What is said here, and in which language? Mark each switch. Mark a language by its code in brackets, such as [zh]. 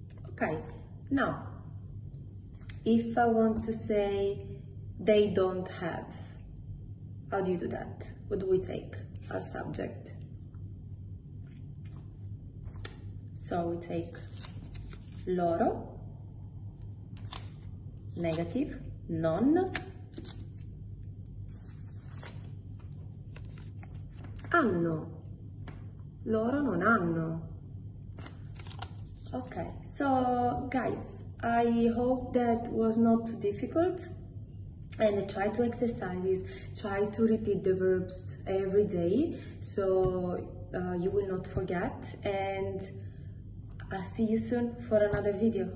[en] Ok, now, if I want to say they don't have, how do you do that? What do we take as subject? So we take loro, negative, non, hanno, [it] loro non hanno. [en] Okay, so guys, I hope that was not too difficult and try to exercise this, try to repeat the verbs every day so you will not forget and I'll see you soon for another video.